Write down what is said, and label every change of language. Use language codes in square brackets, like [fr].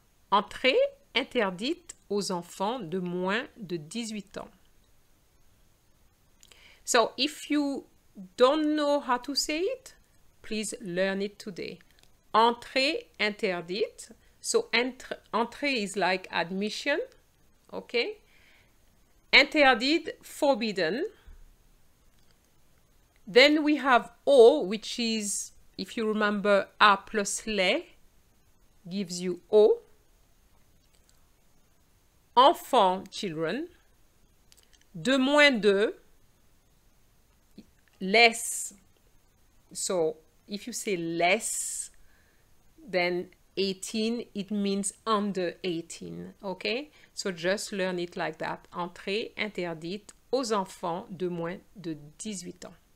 [fr] Entrée interdite aux enfants de moins de 18 ans. [en] So if you don't know how to say it, please learn it today. [fr] Entrée interdite. [en] So entrée is like admission, okay? Interdit, forbidden. Then we have O, which is, if you remember, A plus les gives you O. Enfant, children. [fr] De moins de, [en] less. So if you say less than 18, it means under 18, okay? So just learn it like that. [fr] Entrée interdite aux enfants de moins de 18 ans.